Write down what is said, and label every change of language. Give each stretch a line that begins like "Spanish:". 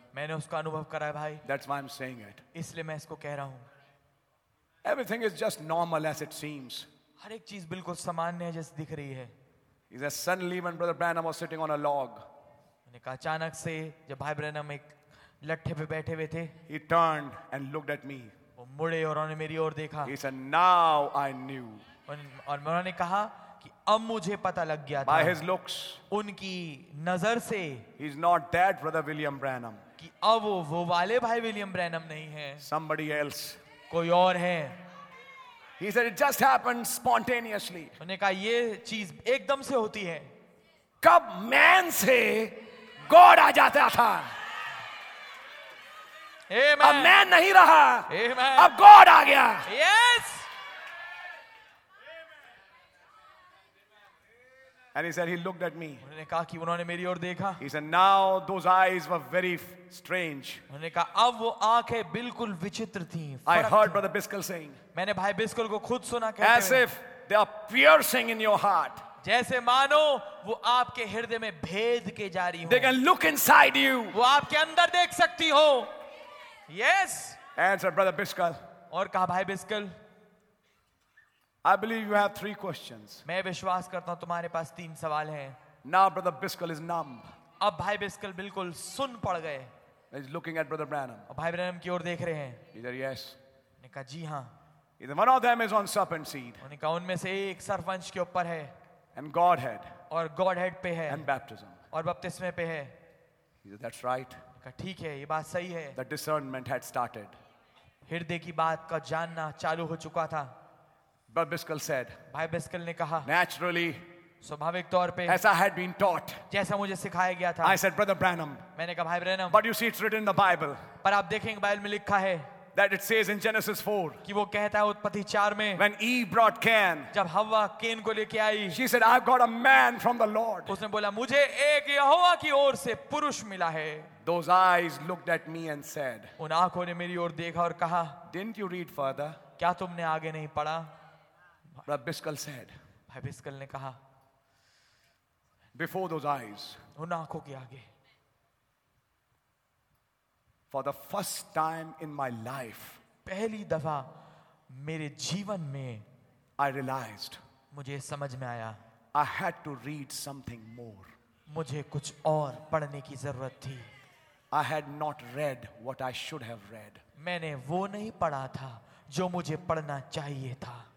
Hindi: मैंने उसका अनुभव करा है भाई.
English: That's why I'm saying it.
Hindi: इसलिए मैं इसको कह रहा हूँ.
English: Everything is just normal as it seems.
Hindi: हर एक चीज़ बिल्कुल सामान्य है जैसे दिख रही है.
English: It was suddenly when brother Branham was sitting on a log.
Hindi: मैंने कहा अचानक से जब भाई ब्रैनम एक लट्ठे पे बैठे हुए थे.
English: He turned and looked at me.
Hindi: वो मुड़े और उन्होंने मेरी ओर देखा.
English: He said, "Now I knew."
Hindi: और उन्होंने कहा कि अब मुझे पता लग गया था
English: By his looks,
Hindi: उनकी नजर से
English: he is not that brother William Branham.
Hindi: कि अब वो वाले भाई विलियम ब्रैनम नहीं है
English: Somebody else.
Hindi: कोई और है
English: He said, It just happened spontaneously.
Hindi: उन्होंने कहा ये चीज एकदम से होती है कब मैन से गॉड आ जाता था
English: Amen.
Hindi: अब मैन नहीं रहा
English: Amen.
Hindi: अब गॉड आ गया
English: yes. And he said he looked at me.
Hindi: उन्होंने कहा कि उन्होंने मेरी ओर देखा.
English: He said now those eyes were very strange.
Hindi: उन्होंने कहा अब वो आंखें बिल्कुल विचित्र थीं.
English: I heard brother Biskel saying.
Hindi: मैंने भाई बिस्कल को खुद सुना कहते हैं.
English: As if they are piercing in your heart.
Hindi: जैसे मानो वो आपके हृदय में भेद के जारी हो.
English: They can look inside you.
Hindi: वो आपके अंदर देख सकती हो. Yes.
English: Answered brother Biskel.
Hindi: और कहा भाई बिस्कल.
English: I believe you have three questions.
Hindi: मैं विश्वास करता हूँ तुम्हारे पास तीन सवाल हैं.
English: Now brother Biskel is numb.
Hindi: अब भाई बिस्कल बिल्कुल सुन पड़ गए.
English: He's looking at brother Branham.
Hindi: अब भाई ब्रैनम की ओर देख रहे हैं.
English: He said yes.
Hindi: ने कहा जी हाँ.
English: He said one of them is on serpent seed.
Hindi: ने कहा उनमें से एक सर्पवंश के ऊपर है.
English: And Godhead.
Hindi: और Godhead पे है.
English: And baptism.
Hindi: और बपतिस्मे पे है.
English: He said that's right.
Hindi: ने कहा ठीक है ये बात सही है.
English: The discernment had started.
Hindi: हृदय की बात का जानना चालू हो चुका था.
English: But Biskel said,
Hindi: भाई बिस्कल ने कहा,
English: naturally,
Hindi: स्वाभाविक तौर पे,
English: as I had been taught,
Hindi: जैसा मुझे सिखाया गया था,
English: I said, Brother Branham,
Hindi: मैंने कहा, भाई Branham,
English: but you see, it's written in the Bible,
Hindi: पर आप देखेंगे बाइबल में लिखा है,
English: that it says in Genesis 4,
Hindi: कि वो कहता है उत्पत्ति 4 में,
English: when Eve brought Cain,
Hindi: जब हव्वा केन को लेके आई,
English: she said, I've got a man from the Lord,
Hindi: उसने बोला मुझे एक यहोवा की ओर से पुरुष मिला है
English: Those eyes looked at me and said,
Hindi: उन आंखों ने मेरी ओर देखा और कहा
English: Didn't you read further?
Hindi: क्या तुमने आगे नहीं पढ़ा
English: Brother Biskel said,
Hindi: भाई बिस्कल ने कहा,
English: before those eyes,
Hindi: उन आँखों के आगे,
English: for the first time in my life,
Hindi: पहली दफा मेरे जीवन में,
English: I realized,
Hindi: मुझे समझ में आया,
English: I had to read something more,
Hindi: मुझे कुछ और पढ़ने की जरूरत थी,
English: I had not read what I should have read,
Hindi: मैंने वो नहीं पढ़ा था जो मुझे पढ़ना चाहिए था.